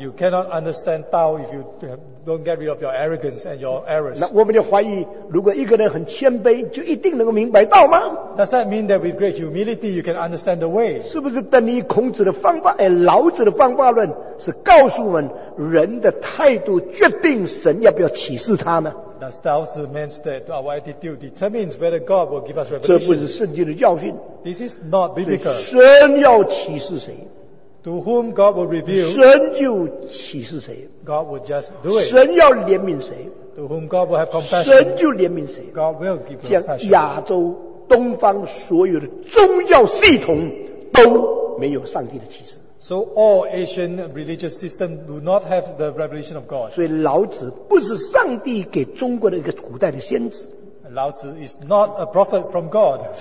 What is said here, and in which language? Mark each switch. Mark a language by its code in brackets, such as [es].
[en] You cannot understand Tao if you don't get rid of your arrogance and your errors. [zh] 那我们就怀疑，如果一个人很谦卑，就一定能够明白道吗？ [en] Does that mean that with great humility you can understand the way? [zh] 是不是等于孔子的方法，老子的方法论是告诉我们人的态度决定神要不要启示他呢？ [en] Does Tao means that our attitude determines whether God will give us revelation? [zh] 这不是圣经的教训。 [en] This is not biblical. [zh] 神要启示谁？ [en] To whom God will reveal, [zh] 神就启示谁？ [en] God will just do it. [zh] 神要怜悯谁？ [en] To whom God will have compassion, [zh] 神就怜悯谁？ [en] God will give compassion. [zh] 亚洲东方所有的宗教系统都没有上帝的启示。 [en] So all Asian religious systems do not have the revelation of God. [zh] 所以老子不是上帝给中国的一个古代的先知。 [en] Laozi is not a prophet from God.